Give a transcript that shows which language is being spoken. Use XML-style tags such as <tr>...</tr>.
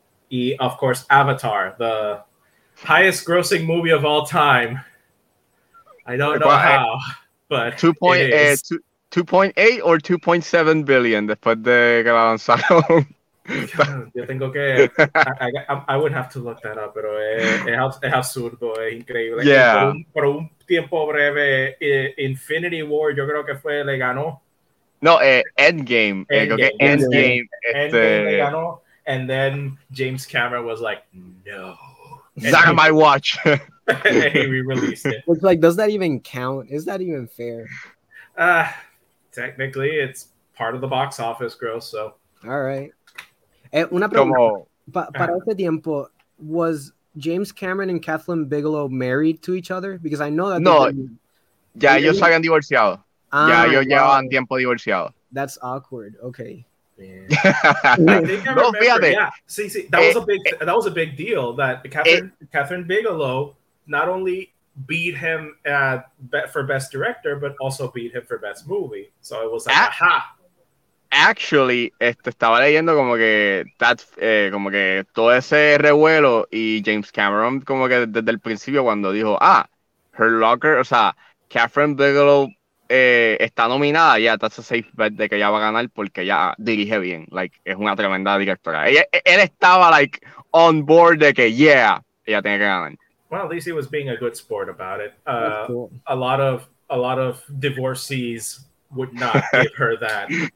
<en>Y, of course, Avatar, the highest grossing movie of all time. I don't know how, but 2.8 or 2.7 billion</en> <es>después de que la lanzaron. Yo tengo que...</es> <en>I would have to look that up,</en> <es>pero es absurdo, es increíble.</es> <en>Yeah.</en> <es>Por un tiempo breve, Infinity War, yo creo que fue, le ganó. No, Endgame. Endgame.</es> <en>Endgame. And then James Cameron was like, no. Zack my watch. And he re-released it. It's like, does that even count? Is that even fair? Technically, it's part of the box office gross, so. All right.</en> <es>Una pregunta. Para ese tiempo,</es> <en>was James Cameron and Kathryn Bigelow married to each other? Because I know that.</en> <es>No. Ya, ellos habían divorciado. Llevaban tiempo divorciado.</es> <en>That's awkward. Okay. Yeah. That was a big deal that Kathryn Bigelow not only beat him for best director, but also beat him for best movie. So it was like, aha. actually,</en> <es>estaba leyendo como que como que todo ese revuelo y James Cameron como que desde el principio cuando dijo, ah, Hurt Locker, o sea, Catherine Bigelow está nominada, ya,</es> <en>that's a safe bet</en> <es>de que ella va a ganar porque ella dirige bien,</es> <en>like,</en> <es>es una tremenda directora. Él estaba,</es> <en>like, on board</en> <es>de que,</es> <en>yeah,</en> <es>ella tiene que ganar.</es> <en>Well, at least he was being a good sport about it. Cool. A lot of divorcees would not give her that.</en>